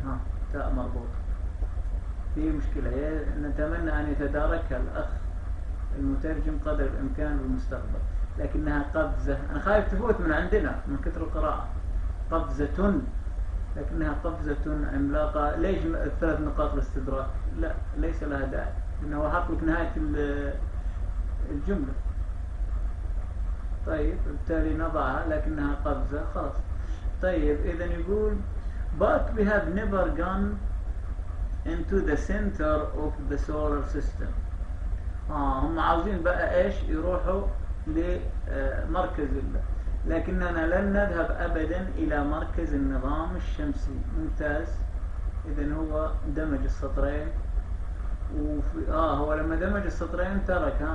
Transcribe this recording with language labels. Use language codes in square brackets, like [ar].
[ar] ها تاء مربوطة، في مشكلة، نتمنى أن يتداركها الأخ المترجم قدر الإمكان في المستقبل، لكنها قفزة، أنا خايف تفوت من عندنا من كثر القراءة، قفزة، لكنها قفزة عملاقة. ليش الثلاث نقاط الاستدراك؟ لا، ليس لها داعي، لأنه حاط لك نهاية الجملة. طيب، بالتالي نضعها، لكنها قفزة، خلاص. طيب، إذا يقول [en] but we have never gone into the center of the solar system. [ar] هم عاوزين بقى ايش، يروحوا لمركز الله، لكننا لن نذهب ابدا الى مركز النظام الشمسي. ممتاز، اذا هو دمج السطرين هو لما دمج السطرين ترك.